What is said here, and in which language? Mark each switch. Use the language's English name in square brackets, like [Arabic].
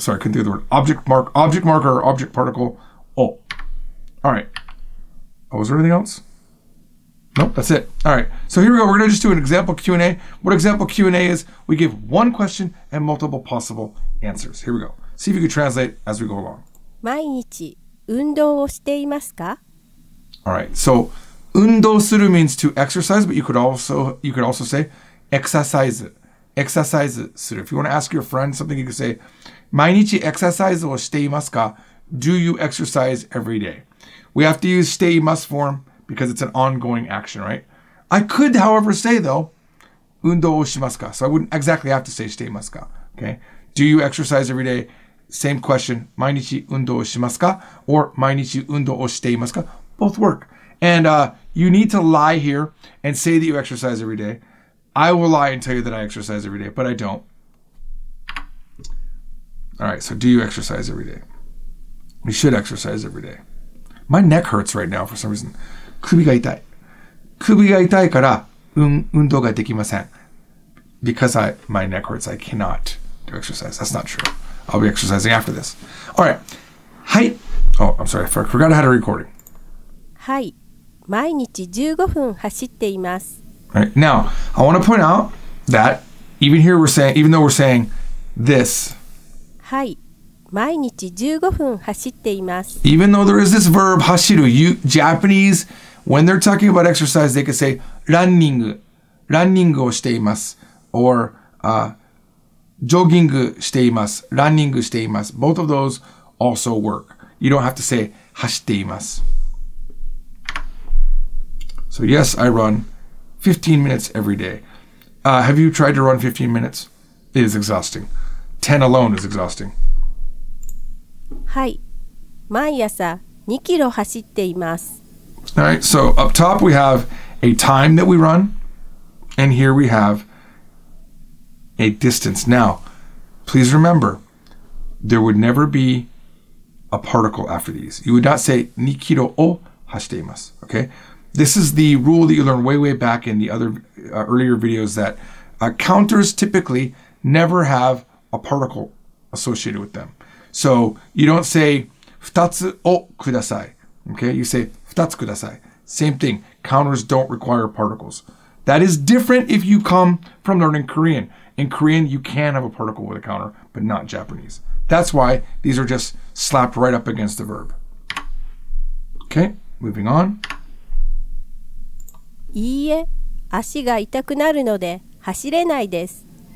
[English] Sorry, I couldn't think of the word. Object marker or object particle O. All right. Oh, was there anything else? Nope, that's it. All right, so here we go. We're going to just do an example Q&A. What example Q&A is, we give one question and multiple possible answers. Here we go. See if you can translate as we go along. [Japanese] 毎日運動をしていますか? [English] All right, so 運動する means to exercise, but you could also say exercise する. If you want to ask your friend something, you could say [Japanese] 毎日エクササイズをしていますか? [English] Do you exercise every day? We have to use していますform because it's an ongoing action, right? I could, however, say, though, [Japanese] 運動をしますか? [English] So I wouldn't exactly have to say [Japanese] していますか? [English] Okay? Do you exercise every day? Same question. [Japanese] 毎日運動をしますか? Or 毎日運動をしていますか? [English] Both work. And you need to lie here and say that you exercise every day. I will lie and tell you that I exercise every day, but I don't. All right, so do you exercise every day? You should exercise every day. My neck hurts right now for some reason. [Japanese] 首が痛いから運動ができません。 [English] Because my neck hurts, I cannot do exercise. That's not true. I'll be exercising after this. All right. はい。Oh, I'm sorry. I forgot I had a recording. [Japanese] はい。毎日15分走っています。 [English] Right. Now, I want to point out that even though we're saying this. [Japanese] はい。毎日15分走っています。 [English] Even though there is this verb, 走る, you, Japanese, when they're talking about exercise, they could say, [Japanese] ランニングをしています。 Or, ジョギングしています。ランニングしています。 [English] Both of those also work. You don't have to say, [Japanese] 走っています。 [English] So yes, I run 15 minutes every day. Have you tried to run 15 minutes? It is exhausting. 10 alone is exhausting. [Japanese] はい。毎朝2キロ走っています。 [English] All right, so up top we have a time that we run, and here we have a distance. Now, please remember, there would never be a particle after these. You would not say [Japanese] 2キロを走っています, [English] okay? This is the rule that you learned way, way back in the other earlier videos that counters typically never have a particle associated with them. So you don't say [Japanese] 2つをください. [English] Okay, you say [Japanese] 2つください. [English] Same thing. Counters don't require particles. That is different if you come from learning Korean. In Korean, you can have a particle with a counter, but not Japanese. That's why these are just slapped right up against the verb. Okay, moving on. [Japanese] いいえ、足が痛くなるので走れないです.